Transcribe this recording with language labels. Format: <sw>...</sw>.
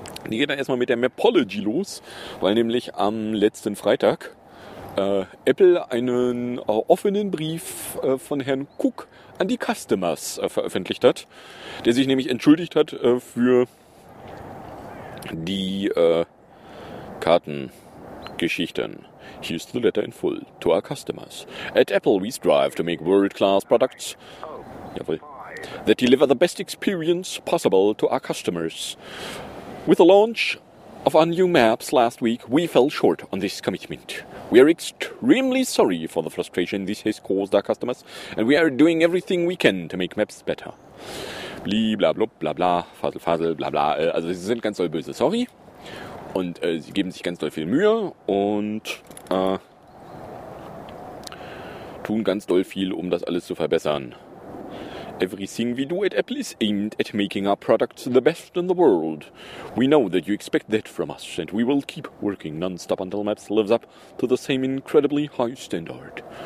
<de>Die geht dann erstmal mit der Mapology los, weil nämlich am letzten Freitag Apple einen offenen Brief von Herrn Cook an die Customers veröffentlicht hat, der sich nämlich entschuldigt hat für die Kartengeschichten.</de> <en>Here's the letter in full to our customers. At Apple, we strive to make world-class products.</en> <de>Jawohl.</de> <en>That deliver the best experience possible to our customers. With the launch of our new maps last week, we fell short on this commitment. We are extremely sorry for the frustration this has caused our customers, and we are doing everything we can to make maps better.</en> <de>Bli, bla, blub, bla, bla, fassel, fassel, bla, bla. Also, sie sind ganz doll böse, sorry. Und sie geben sich ganz doll viel Mühe und tun ganz doll viel, um das alles zu verbessern.</de> <en>Everything we do at Apple is aimed at making our products the best in the world. We know that you expect that from us, and we will keep working non-stop until Maps lives up to the same incredibly high standard.</en>